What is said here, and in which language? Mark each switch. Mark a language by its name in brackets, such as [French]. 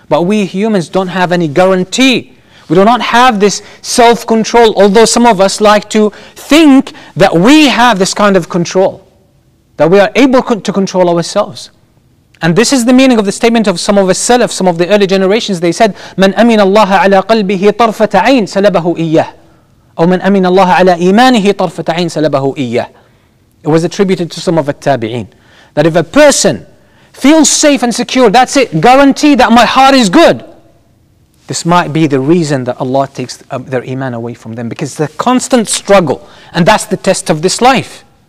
[English] But we humans don't have any guarantee. We do not have this self-control, although some of us like to think that we have this kind of control, that we are able to control ourselves. And this is the meaning of the statement of some of the Salaf, some of the early generations. They said, [Arabic] مَنْ أَمِنَ اللَّهَ عَلَىٰ قَلْبِهِ طَرْفَةَ عَيْنِ سَلَبَهُ إِيَّهُ. [English] Or, [Arabic] مَنْ أَمِنَ اللَّهَ عَلَىٰ إِيمَانِهِ طَرْفَةَ عَيْنِ سَلَبَهُ إِيَّهُ. [English] It was attributed to some of the Tabi'een. That if a person feels safe and secure, that's it, guarantee that my heart is good. This might be the reason that Allah takes their iman away from them, because it's a constant struggle, and that's the test of this life.